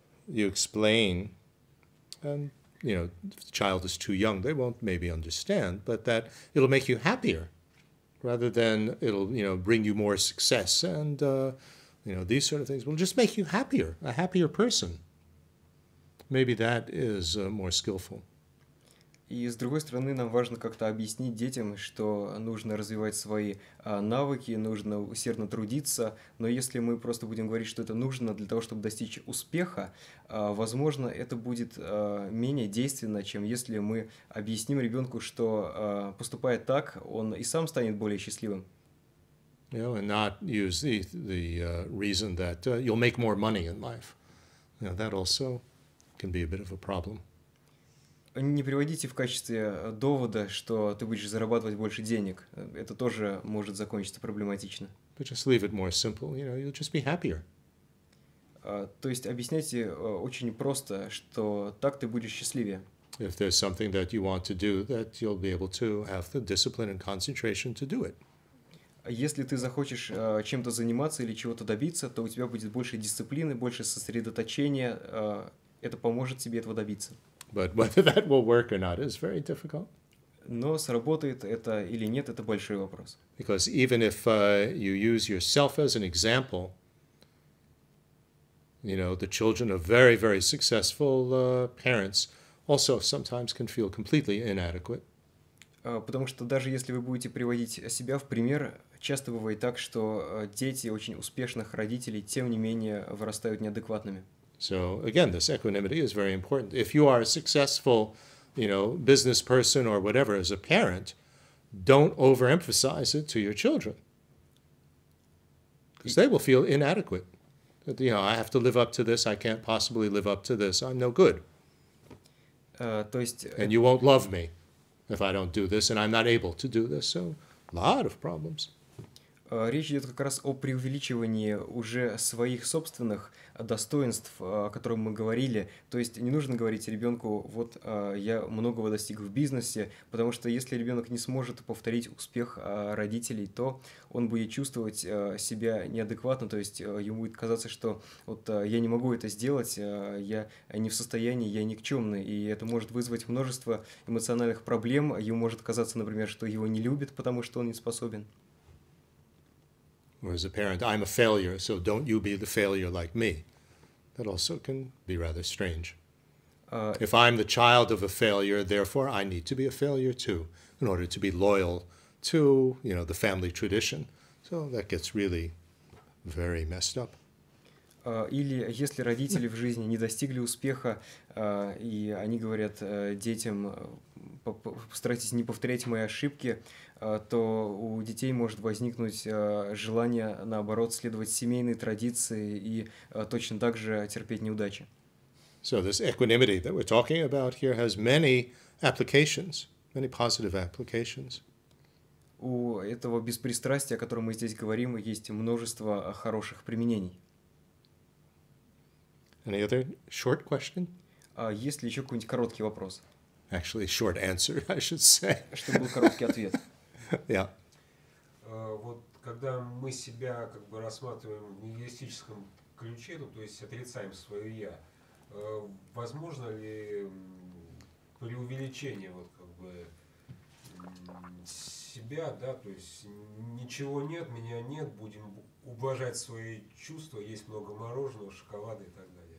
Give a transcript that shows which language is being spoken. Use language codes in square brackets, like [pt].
[en] you explain, and, you know, if the child is too young, they won't maybe understand, but that it'll make you happier. Rather than it'll, you know, bring you more success and, you know, these sort of things will just make you happier, a happier person. Maybe that is more skillful. [ru] И с другой стороны, нам важно как-то объяснить детям, что нужно развивать свои навыки, нужно усердно трудиться. Но если мы просто будем говорить, что это нужно для того, чтобы достичь успеха, возможно, это будет менее действенно, чем если мы объясним ребенку, что поступая так, он и сам станет более счастливым. [en] You know, and not use the reason that you'll make more money in life. You know, that also can be a bit of a problem. [ru] Не приводите в качестве довода, что ты будешь зарабатывать больше денег. Это тоже может закончиться проблематично. [en] But just leave it more simple. You know, you'll just be happier. [ru] То есть объясняйте очень просто, что так ты будешь счастливее. [en] If there's something that you want to do, that you'll be able to have the discipline and concentration to do it. [ru] Если ты захочешь чем-то заниматься или чего-то добиться, то у тебя будет больше дисциплины, больше сосредоточения. Это поможет тебе этого добиться. [en] But whether that will work or not is very difficult. [ru] Но сработает это или нет, это большой вопрос. [en] Because even if you use yourself as an example, you know, the children of very, very successful parents also sometimes can feel completely inadequate. [ru] Потому что даже если вы будете приводить себя в пример, часто бывает так, что дети очень успешных родителей, тем не менее, вырастают неадекватными. [en] So again, this equanimity is very important. If you are a successful, you know, business person or whatever as a parent, don't overemphasize it to your children. Because they will feel inadequate. That, you know, I have to live up to this, I can't possibly live up to this, I'm no good. [ru] То есть, [en] and you won't love me if I don't do this, and I'm not able to do this. So a lot of problems. [ru] Речь идет как раз о преувеличивании уже своих собственных достоинств, о котором мы говорили. То есть не нужно говорить ребенку, вот я многого достиг в бизнесе, потому что если ребенок не сможет повторить успех родителей, то он будет чувствовать себя неадекватно, то есть ему будет казаться, что вот я не могу это сделать, я не в состоянии, я никчемный. И это может вызвать множество эмоциональных проблем. Ему может казаться, например, что его не любят, потому что он не способен. [en] Or as a parent, I'm a failure, so don't you be the failure like me. That also can be rather strange. If I'm the child of a failure, therefore I need to be a failure too, in order to be loyal to, you know, the family tradition. So that gets really very messed up. [ru] Или если родители в жизни не достигли успеха, и они говорят детям, постарайтесь не повторять мои ошибки, то у детей может возникнуть желание, наоборот, следовать семейной традиции и точно так же терпеть неудачи. [en] So this equanimity that we're talking about here has many applications, many positive applications. [ru] У этого беспристрастия, о котором мы здесь говорим, есть множество хороших применений. [en] Any other short question? [ru] Есть ли еще какой-нибудь короткий вопрос? [en] Actually, short answer, I should say. [ru] Чтобы был короткий ответ. [en] Yeah. [ru] Вот когда мы себя как бы рассматриваем в нигилистическом ключе, ну, то есть отрицаем свое «я», возможно ли преувеличение вот как бы себя, да, то есть ничего нет, меня нет, будем уважать свои чувства, есть много мороженого, шоколада и так далее.